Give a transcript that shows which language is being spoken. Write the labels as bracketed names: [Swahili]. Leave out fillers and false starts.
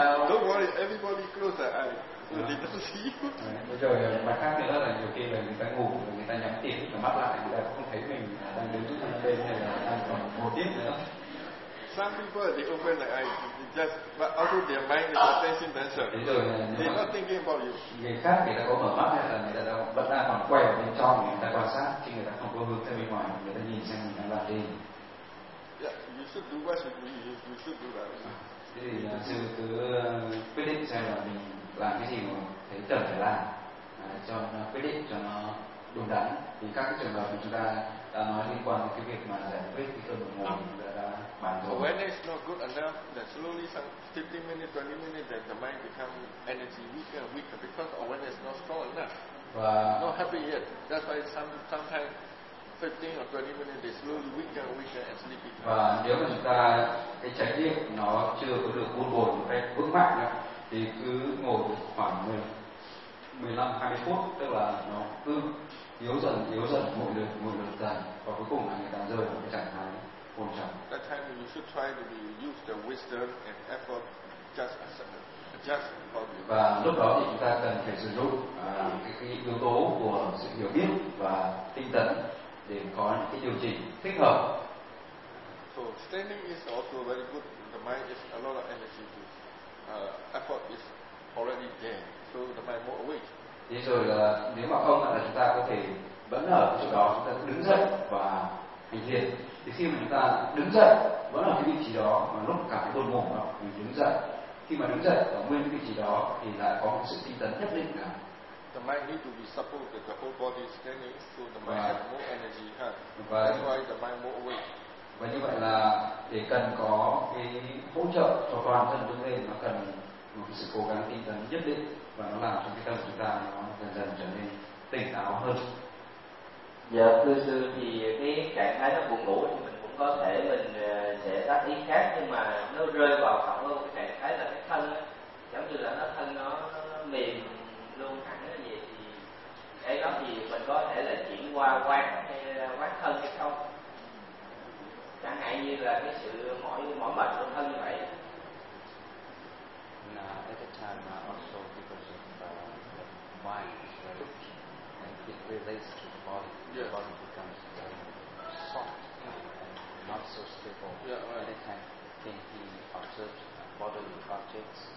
[English] Don't worry, everybody close their eyes, they don't see you. [Vietnamese] Bây giờ mặt khác nữa là nhiều khi là người ta ngủ, người ta nhắm tiền, nhắm mắt lại, người ta không thấy mình đang đứng trước mặt bên hay là đang còn một tiếp nữa. [English] Some people they open their eyes, they just but also their mind is attention themselves. They not thinking about you. [Vietnamese] Người khác người ta có mở mắt hay là người ta đang bất an hoặc quay vào bên trong, người ta quan sát, khi người ta không có hướng ra bên ngoài, người ta nhìn xem mình đang làm gì. [English] Yeah, you should do what you should do that. [Vietnamese] Thế thì sư cứ quyết định xem là mình làm cái gì mà thấy cần phải làm, cho nó quyết định cho nó đúng đắn. Thì các cái trường hợp mà chúng ta đã nói liên quan đến cái việc mà giải quyết cái cơn buồn ngủ đã bàn rồi. [English] Awareness not good enough, that slowly some 15 minutes, 20 minutes, that the mind become energy weaker and weaker because awareness not strong enough. [Vietnamese] Và [English] not happy yet. That's why sometimes 15 or 20 minutes they slowly weaker and weaker and sleepy. [Vietnamese] Và nếu mà chúng ta cái trải nghiệm nó chưa có được buồn buồn một cách vững mạnh nữa, thì cứ ngồi khoảng 15-20 phút, tức là nó cứ yếu dần, một lần dần, và cuối cùng là người ta rơi vào cái trạng thái hồn trầm. [English] That time you should try to use the wisdom and effort just as just for you. [Vietnamese] Và lúc đó thì chúng ta cần phải sử dụng cái yếu tố của sự hiểu biết và tinh thần để có những cái điều chỉnh thích hợp. [English] So standing is also very good. The mind is a lot of energy to effort is already there, so the mind more awake. [Vietnamese] Thế rồi là nếu mà không là chúng ta có thể vẫn ở chỗ đó, chúng ta đứng dậy và hành thiền. Thì khi mà chúng ta đứng dậy vẫn ở cái vị trí đó mà lúc cả cái buồn ngủ đó mình đứng dậy, khi mà đứng dậy ở nguyên cái vị trí đó thì lại có một sự tinh tấn nhất định cả. [English] The mind need to be supported, the whole body standing, so the mind has more energy, that's why the mind more awake. [Vietnamese] Và như vậy là để cần có cái hỗ trợ cho toàn thân đứng lên, nó cần một cái sự cố gắng tinh tấn nhất định, và nó làm cho cái tâm chúng ta nó dần dần trở nên tỉnh táo hơn. Dạ thưa sư, thì cái trạng thái nó buồn ngủ thì mình cũng có thể mình sẽ tác ý khác, nhưng mà nó rơi vào phạm hơn cái trạng thái là cái thân á, giống như là nó thân nó mềm luôn thẳng cái gì, thì cái đó thì mình có thể là chuyển qua quán hay quán thân hay không, chẳng hạn như là cái sự mỏi mệt của thân như vậy. [English] At the time, also because of the mind is very weak, and it relates to the body. Yes. The body becomes very soft and not so stable. Yeah, right. At the time, can he observe bodily objects?